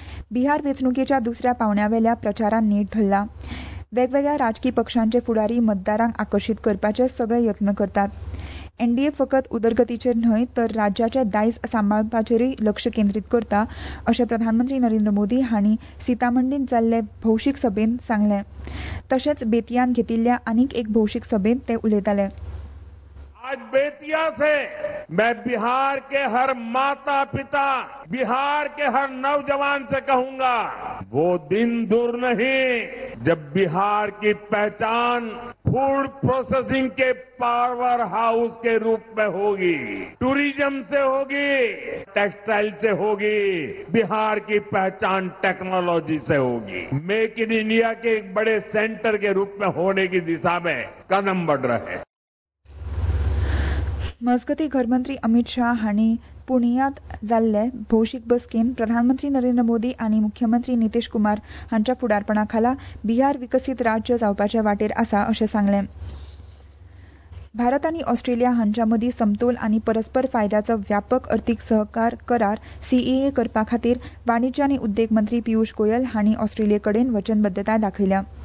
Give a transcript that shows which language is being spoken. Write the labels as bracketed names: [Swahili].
[Konkani] बिहार वेंचणुकेच्या दुसऱ्या पावण्यावेल्या प्रचारान नेट धरला. वेगवेगळ्या राजकीय पक्षांचे फुडारी मतदारांक आकर्षित करपाचे सगळे यत्न करतात. एनडीए फकत उदरगतीचेर न्हय तर राज्याचे दायज सांभाळपाचेरूय लक्ष केंद्रीत करता असे प्रधानमंत्री नरेंद्र मोदी हांणी सीतामंडीत जाल्ले भौशीक सभेत सांगले. तशेच बेतियान घेतिल्ल्या आनीक एक भौशीक सभेत ते उलयताले. [Hindi] आज बेतिया से मैं बिहार के हर माता पिता, बिहार के हर नौजवान से कहूंगा, वो दिन दूर नहीं जब बिहार की पहचान फूड प्रोसेसिंग के पावर हाउस के रूप में होगी, टूरिज्म से होगी, टेक्सटाइल से होगी, बिहार की पहचान टेक्नोलॉजी से होगी. मेक इन इंडिया के एक बड़े सेंटर के रूप में होने की दिशा में कदम बढ़ रहे हैं. [Konkani] मजगती घरमंत्री अमित शाह हांणी पुणियात जाल्ले भौशीक बसकेन प्रधानमंत्री नरेंद्र मोदी आणि मुख्यमंत्री नितीश कुमार हांच्या फुडारपणाखाला बिहार विकसित राज्य जावपाच्या वाटेर आसा असे सांगले. भारत आणि ऑस्ट्रेलिया हांच्या मदीं समतोल आणि परस्पर फायद्याचं व्यापक अर्थिक सहकार करार सीईए करपा खातीर वाणिज्य आणि उद्योग मंत्री पियुष गोयल हांणी ऑस्ट्रेलियेकडेन वचनबद्धता दाखयल्या.